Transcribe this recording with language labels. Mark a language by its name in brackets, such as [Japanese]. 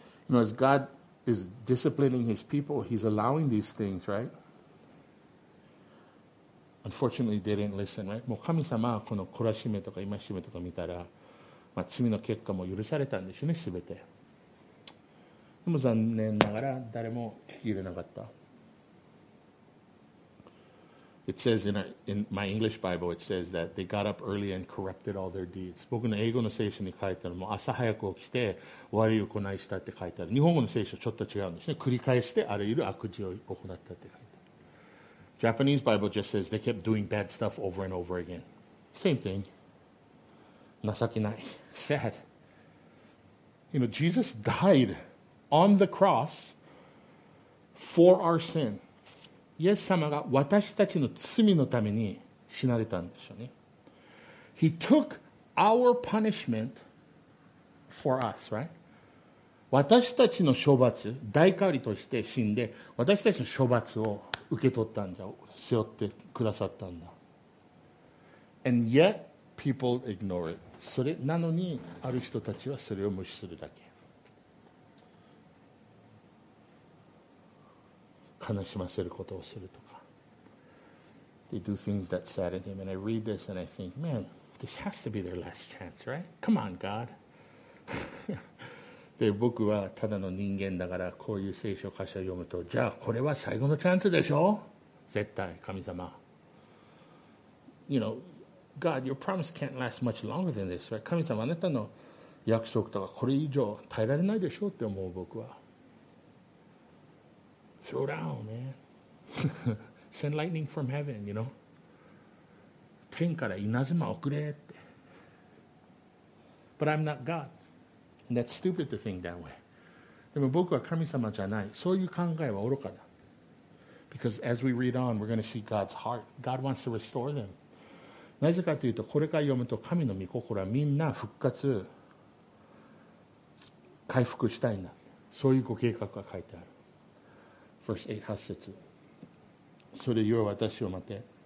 [English] You know, as God is disciplining his people, he's allowing these things, right? Unfortunately, they didn't listen, right? [Japanese] もう神様はこの懲らしめとか戒めとか見たら、まあ、罪の結果も許されたんでしょうね、すべて。でも残念ながら誰も聞き入れなかった。 [English] It says in my English Bible, it says that they got up early and corrupted all their deeds. [Japanese] 僕の英語の聖書に書いてあるのも、朝早く起きて悪い行いしたって書いてある。日本語の聖書ちょっと違うんですね。繰り返してあらゆる悪事を行ったって書いてある。 [English] Japanese Bible just says they kept doing bad stuff over and over again. Same thing. [Japanese] 情けない。 [English] Sad. You know, Jesus died on the cross for our sin. [Japanese] イエス様が私たちの罪のために死なれたんでしょうね。 [English] He took our punishment for us, right? [Japanese] 私たちの処罰、代替わりとして死んで、私たちの処罰を受け取ったんじゃ、背負ってくださったんだ。 [English] And yet, people ignore it. [Japanese] それなのにある人たちはそれを無視するだけ。悲しませることをするとか。 [English] They do things that sadden him. And I read this and I think, man, this has to be their last chance, right? Come on, God. [Japanese] で、僕はただの人間だからこういう聖書箇所を読むと、じゃあこれは最後のチャンスでしょ？絶対、神様。 [English] You know,God, your promise can't last much longer than this, right? [Japanese] 神様、あなたの約束とかこれ以上耐えられないでしょうって思う僕は。 [English] Throw down, man. Send lightning from heaven, you know? [Japanese] 天から稲妻送れって。 [English] But I'm not God. And that's stupid to think that way. [Japanese] でも僕は神様じゃない。そういう考えは愚かだ。 [English] Because as we read on, we're going to see God's heart. God wants to restore them. [Japanese] なぜかというと、これから読むと神の御心はみんな復活、回復したいんだ。そういうご計画が書いてある。 [English] Verse 8, [Japanese] 8節。それゆえ私を待て。